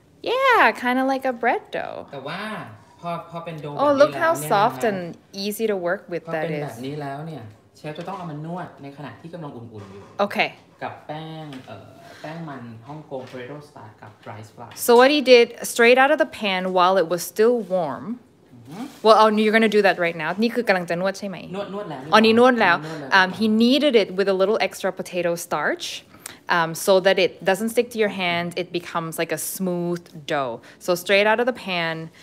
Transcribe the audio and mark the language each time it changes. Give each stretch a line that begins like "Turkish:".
English: Yeah kind of like a bread dough
Thai: แต่ว่าพอเป็นโด
English: Oh look how soft and easy to work with that is
Thai: พอเป็นแบบนี้แล้วเนี่ยเชฟจะต้องเอามันนวดในขณะที่กำลังอุ่นๆอยู่
English: Okay.
Thai: กับแป้งมันฮ่องกงเฟรโดสตาร์กับไรซ์ฟลา
English: ว So what he did straight out of the pan while it was still warm. Well, you're gonna do that right now.
Thai: นี่คือกำลังจะนวดใช่ไหม นวดแล้ว อันนี้นวดแล้ว
English: He kneaded it with a little extra potato starch, so that it doesn't stick to your hand. It becomes like a smooth dough. So straight out of the pan.